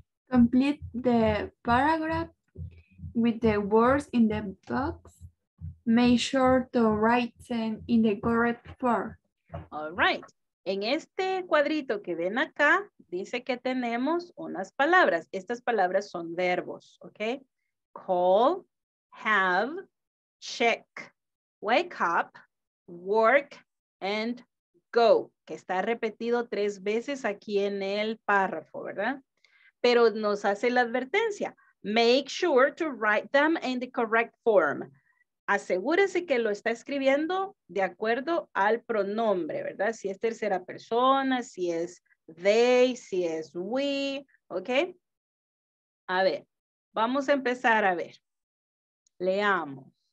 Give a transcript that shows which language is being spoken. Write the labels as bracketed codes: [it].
[en] Complete the paragraph with the words in the box. Make sure to write them in the correct form. All right. [es] En este cuadrito que ven acá, dice que tenemos unas palabras. Estas palabras son verbos, ¿ok? [en] Call, have, check, wake up, work, and go. [es] Que está repetido tres veces aquí en el párrafo, ¿verdad? Pero nos hace la advertencia. [en] Make sure to write them in the correct form. [es] Asegúrese que lo está escribiendo de acuerdo al pronombre, ¿verdad? Si es tercera persona, si es they, si es we, ¿ok? A ver, vamos a empezar a ver. leamos.